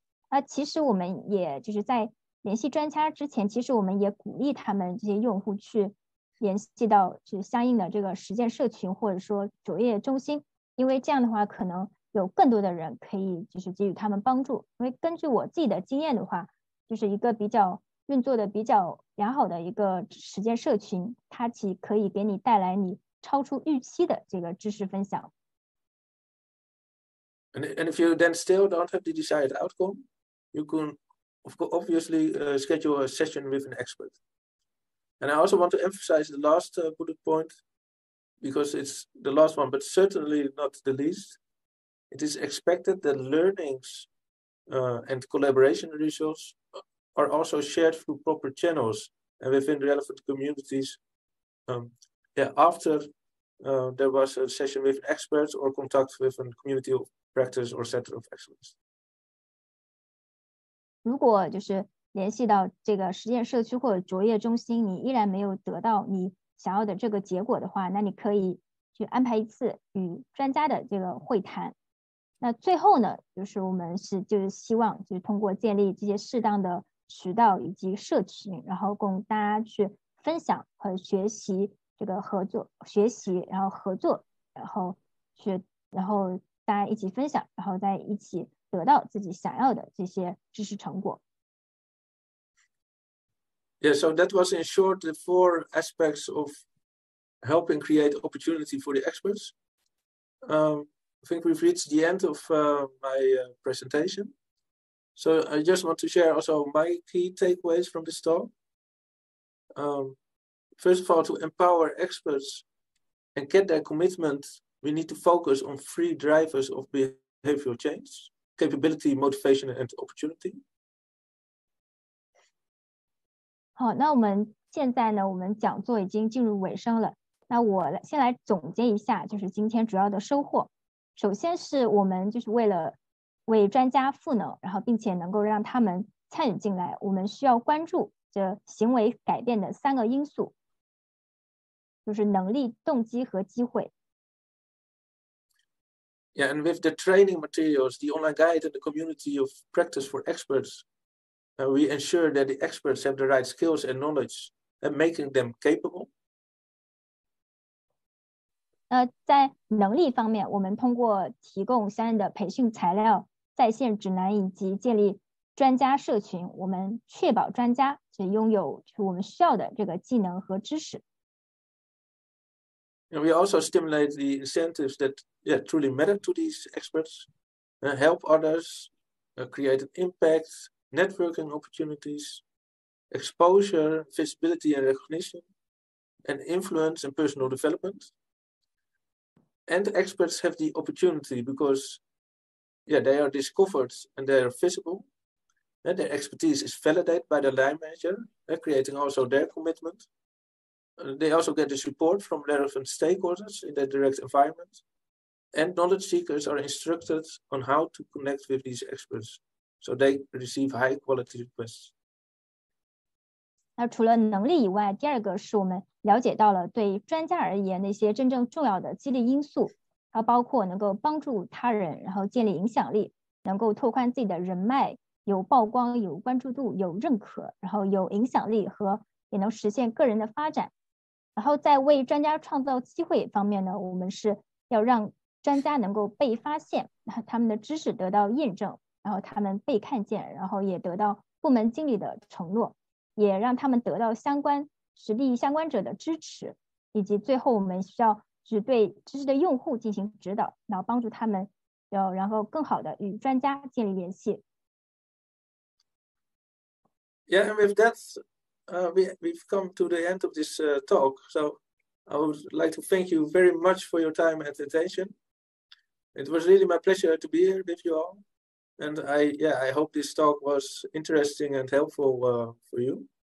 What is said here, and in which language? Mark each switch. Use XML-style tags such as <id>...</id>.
<zh>那其实我们也就是在联系专家之前，其实我们也鼓励他们这些用户去联系到就相应的这个实践社群或者说卓越中心，因为这样的话可能有更多的人可以就是给予他们帮助。因为根据我自己的经验的话，就是一个比较运作的比较良好的一个实践社群，它其可以给你带来你超出预期的这个知识分享。</zh> <en>And if you then still don't have the desired outcome, you can obviously schedule a session with an expert. And I also want to emphasize the last bullet point, because it's the last one, but certainly not the least. It is expected that learnings and collaboration results are also shared through proper channels and within relevant communities. After there was a session with experts or contact with a community of practice or center of excellence.</en> <zh>如果就是联系到这个实践社区或者卓越中心，你依然没有得到你想要的这个结果的话，那你可以去安排一次与专家的这个会谈。那最后呢，就是我们是就是希望就是通过建立这些适当的渠道以及社群，然后供大家去分享和学习这个合作，学习然后合作，然后去然后大家一起分享，然后再一起得到自己想要的这些知识成果。</zh> <en>Yeah, so that was in short the four aspects of helping create opportunity for the experts. I think we've reached the end of my presentation. So I just want to share also my key takeaways from this talk. First of all, to empower experts and get their commitment, we need to focus on three drivers of behavioral change: capability, motivation, and opportunity.</en> <zh>好，那我们现在呢，我们讲座已经进入尾声了。那我先来总结一下，就是今天主要的收获。首先是我们就是为了为专家赋能，然后并且能够让他们参与进来，我们需要关注这行为改变的三个因素，就是能力、动机和机会。</zh> <en>Yeah, and with the training materials, the online guide, and the community of practice for experts, we ensure that the experts have the right skills and knowledge and making them capable.</en> <zh>在能力方面，我们通过提供相应的培训材料、在线指南以及建立专家社群，我们确保专家是拥有我们需要的这个技能和知识。</zh> <en>And we also stimulate the incentives that truly matter to these experts, help others, create an impact, networking opportunities, exposure, visibility and recognition, and influence and personal development. And experts have the opportunity because they are discovered and they are visible. And their expertise is validated by the line manager, creating also their commitment. They also get the support from relevant stakeholders in their direct environment. And knowledge seekers are instructed on how to connect with these experts, so they receive high quality requests.</en> <zh>那除了能力以外，第二个是我们了解到了对专家而言那些真正重要的激励因素，它包括能够帮助他人，然后建立影响力，能够拓宽自己的人脉，有曝光，有关注度，有认可，然后有影响力和也能实现个人的发展。然后在为专家创造机会方面呢，我们是要让专家能够被发现，然后他们的知识得到验证，然后他们被看见，然后也得到部门经理的承诺，也让他们得到相关实力相关者的支持，以及最后我们需要只对知识的用户进行指导，然后帮助他们要然后更好的与专家建立联系。</zh> <en>Yeah, and with that, we've come to the end of this talk. So I would like to thank you very much for your time and attention. It was really my pleasure to be here with you all. And I hope this talk was interesting and helpful for you.</en>